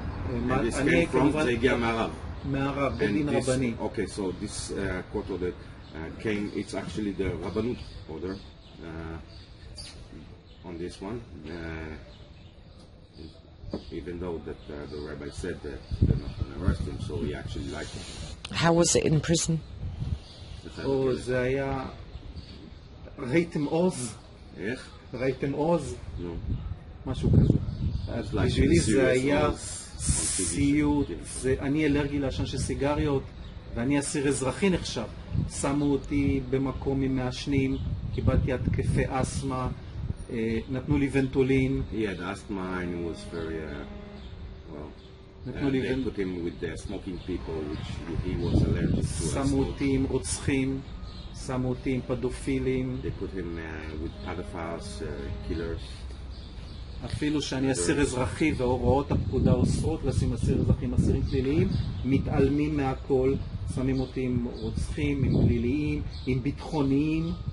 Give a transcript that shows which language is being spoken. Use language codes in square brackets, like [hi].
[en] And this came from, [he] זה הגיע מערב. מערב, בדין רבני. [en] Okay, so this court order came, it's actually the רבנות order. On this one, even though that the rabbi said that they're not going to arrest him, so he actually liked it. How was it in prison? [he] Oh, זה היה ראיתם עוז? איך? ראיתם עוז? [en] No. [he] משהו כזה. בשבילי זה היה סיוט. אני אלרגי לעשן של סיגריות, ואני אסיר אזרחי נחשב. שמו אותי במקום עם מעשנים, קיבלתי התקפי אסמה, נתנו לי ונטולין. [en] He had asthma and he was very, well, they put him with the smoking people, which he was allergic to asthma. [he] שמו אותי עם רוצחים, שמו אותי עם פדופילים. [en] They put him with pedophiles, killers. [he] אפילו שאני אסיר אזרחי והוראות הפקודה אוסרות לשים אסיר אזרחים, אסירים פליליים, מתעלמים מהכל, שמים אותי עם רוצחים, עם פליליים, עם ביטחוניים.